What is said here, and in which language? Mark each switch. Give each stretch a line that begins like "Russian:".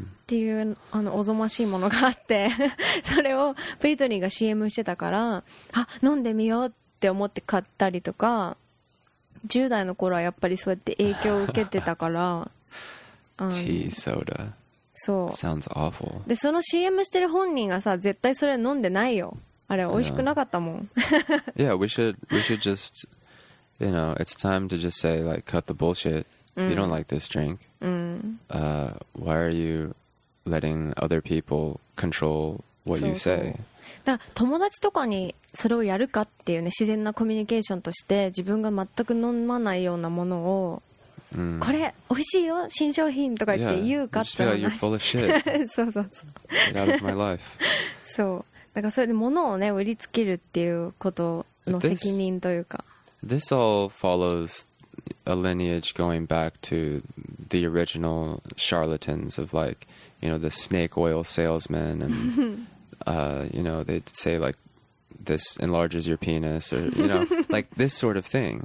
Japanese: っていうおぞましいものがあって、それをブリトニーが CM してたから、あ、飲んでみようって思って買ったりとか、10代の頃はやっぱりそうやって影響を受けてたから。
English: tea soda.
Japanese: そう。
English: Sounds awful.
Japanese: で、その CM してる本人がさ、絶対それ飲んでないよ。あれ、美味しくなかったもん。
English: Yeah, we should just, you know, it's time to just say, like, cut the bullshit. You don't like this drink. Why are you letting other people control what you say?
Japanese: だ、友達とかにそれをやるかっていうね、自然なコミュニケーションとして、自分が全く飲まないようなものを、 Mm. これ美味しいよ新商品とか言って言うかって話、
English: yeah, you're full of shit.
Japanese: そうそうそう
English: Get out of my life.
Japanese: そうだからそれで物をね売りつけるっていうことの責任というか
English: this all follows a lineage going back to the original charlatans of like you know the snake oil salesmen and you know they'd say like this enlarges your penis or you know like this sort of thing